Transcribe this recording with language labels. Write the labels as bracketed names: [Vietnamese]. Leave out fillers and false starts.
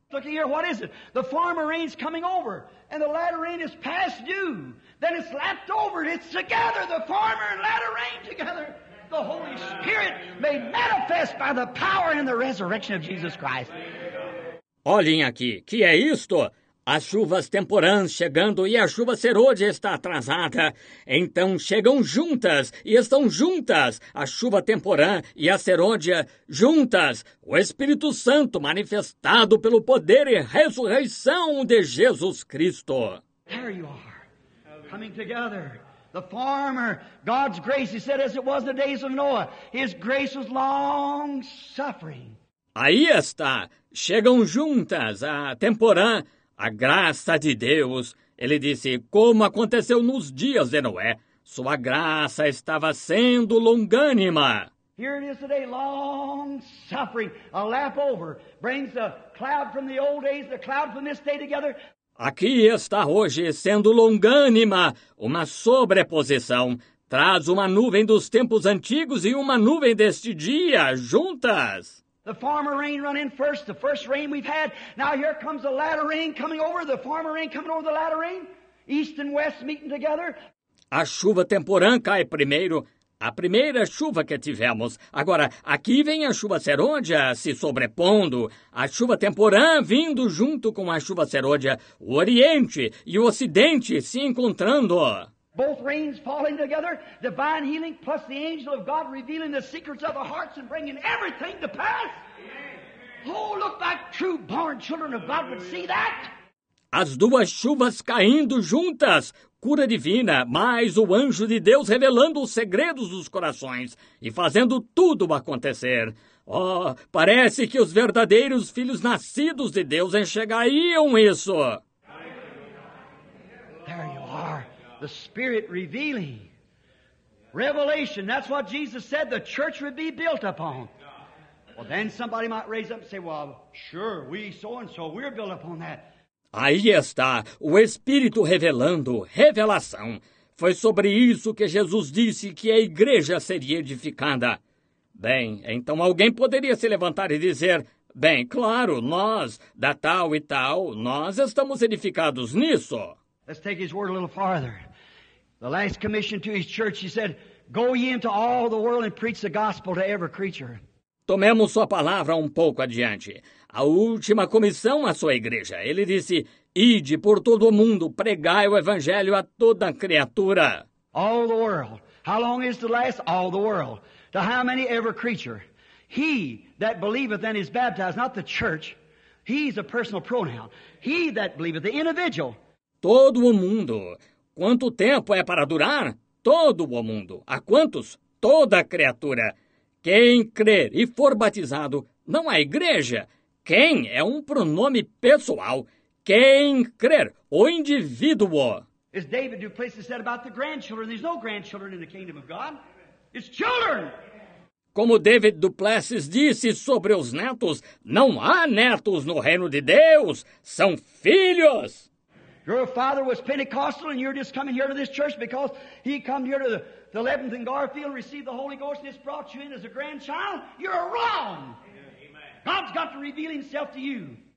[English] Look here, what is it? The former rain's coming over, and the latter rain is past due. Then it's lapped over, it's together, the former and latter rain together. The Holy Spirit made manifest by the power and the resurrection of Jesus Christ. [Portuguese] Olhem aqui, que é isto? As chuvas temporãs chegando e a chuva serôdia está atrasada. Então chegam juntas e estão juntas a chuva temporã e a serôdia juntas. O Espírito Santo manifestado pelo poder e ressurreição de Jesus Cristo. [English] There you are, coming together. The former, God's grace, he said, as it was the days of Noah, his grace was long suffering. [Portuguese] Aí está, chegam juntas a temporã. A graça de Deus, ele disse, como aconteceu nos dias de Noé, sua graça estava sendo longânima. [English] Here it is today, long suffering, a lap over, brings the cloud from the old days, the cloud from this day together. [Portuguese] Aqui está hoje sendo longânima, uma sobreposição, traz uma nuvem dos tempos antigos e uma nuvem deste dia juntas. [English] The former rain run in first, the first rain we've had. Now here comes the latter rain coming over, the former rain coming over the latter rain. East and west meeting together. [Portuguese] A chuva temporã cai primeiro, a primeira chuva que tivemos. Agora, aqui vem a chuva serôdia se sobrepondo. A chuva temporã vindo junto com a chuva serôdia. O oriente e o ocidente se encontrando. [English] Both rains falling together, divine healing plus the angel of God revealing the secrets of the hearts and bringing everything to pass. Oh, look back, true born children of God would see that. [Portuguese] As duas chuvas caindo juntas, cura divina, mais o anjo de Deus revelando os segredos dos corações e fazendo tudo acontecer. Oh, parece que os verdadeiros filhos nascidos de Deus enxergariam isso. [English] There you are. The Spirit revealing. Revelation. That's what Jesus said the church would be built upon. Well, then somebody might raise up and say, well, sure, we so-and-so, we're built upon that. [Portuguese] Aí está o Espírito revelando, revelação. Foi sobre isso que Jesus disse que a igreja seria edificada. Bem, então alguém poderia se levantar e dizer, bem, claro, nós, da tal e tal, nós estamos edificados nisso. [English] Let's take his word a little farther. The last commission to his church, he said, go ye into all the world and preach the gospel to every creature. [Portuguese] Tomemos sua palavra um pouco adiante. A última comissão à sua igreja. Ele disse, ide por todo o mundo, pregai o evangelho a toda criatura. [English] All the world. How long is it to last? All the world. To how many? Every creature. He that believeth and is baptized, not the church. He's a personal pronoun. He that believeth, the individual. [Portuguese] Todo o mundo. Quanto tempo é para durar? Todo o mundo. A quantos? Toda criatura. Quem crer e for batizado, não a igreja. Quem é um pronome pessoal. Quem crer, o indivíduo. [English] As David Duplessis said about the grandchildren, there's no grandchildren in the kingdom of God. It's children. [Portuguese] Como David Duplessis disse sobre os netos, não há netos no reino de Deus, são filhos. [English] Your father was Pentecostal and you're just coming here to this church because he come here to the 11th in Garfield, received the Holy Ghost and just brought you in as a grandchild. You're wrong. Amen. God's got to reveal himself to you.